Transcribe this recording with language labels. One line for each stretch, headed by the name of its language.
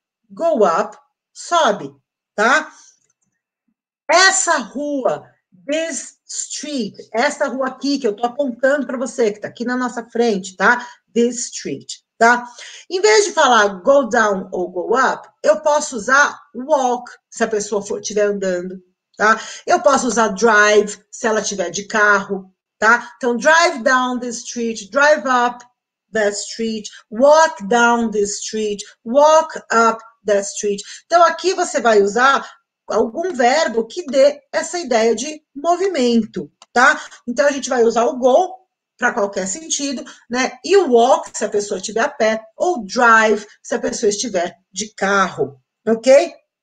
English: Go up,
Portuguese: sobe, tá? Essa rua,
English: this street,
Portuguese: essa rua aqui que eu tô apontando para você, que tá aqui na nossa frente, tá?
English: This street,
Portuguese: tá? Em vez de falar
English: go down
Portuguese: ou
English: go up,
Portuguese: eu posso usar walk se a pessoa for estiver andando. Tá? Eu posso usar drive se ela tiver de carro, tá? Então,
English: drive down the street, drive up the street, walk down the street, walk up the street.
Portuguese: Então, aqui você vai usar algum verbo que dê essa ideia de movimento, tá? Então, a gente vai usar o go para qualquer sentido, né? E o walk se a pessoa estiver a pé, ou drive se a pessoa estiver de carro, ok?